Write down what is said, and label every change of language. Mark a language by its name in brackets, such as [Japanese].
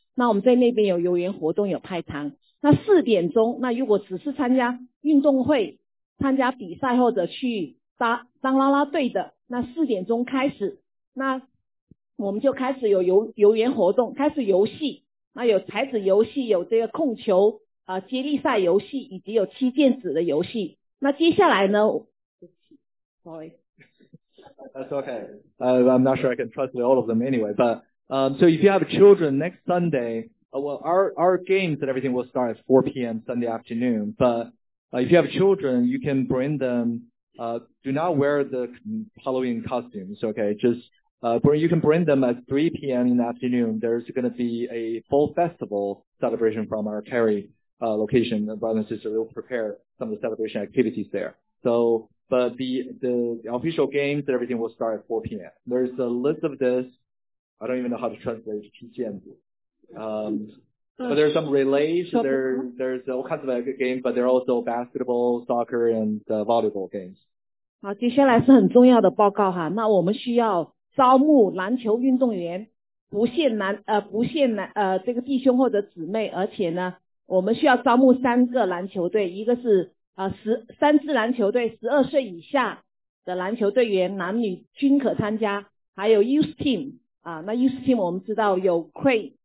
[Chinese] 那我们在那边有游园活动，有派糖。那四点钟，那如果只是参加运动会、参加比赛或者去当啦啦队的，那四点钟开始，那我们就开始有游园活动，开始游戏，那有骰子游戏，有这个控球接力赛游戏，以及有七剑子的游戏。那接下来呢 [English] That's okay. I'm not sure I can translate all of them anyway, but so if you have children next Sunday, well our games and everything will start at 4 PM Sunday afternoon, but if you have children, you can bring them, do not wear the Halloween costumes, okay, justyou can bring them at 3 PM in the afternoon. There's going to be a full festival celebration from our Carey location. The brothers and sisters will prepare some of the celebration activities there. So, but the official games and everything will start at 4 PM. There's a list of this. I don't even know how to translate it. But there's some relays. There's all kinds of games, but there are also basketball, soccer, and volleyball games. [Chinese] 好，接下来是很重要的报告哈。那我们需要招募篮球运动员，不限这个弟兄或者姊妹，而且呢我们需要招募三个篮球队，一个是三支篮球队，12岁以下的篮球队员男女均可参加，还有 youth team, 那 youth team 我们知道有 Craig,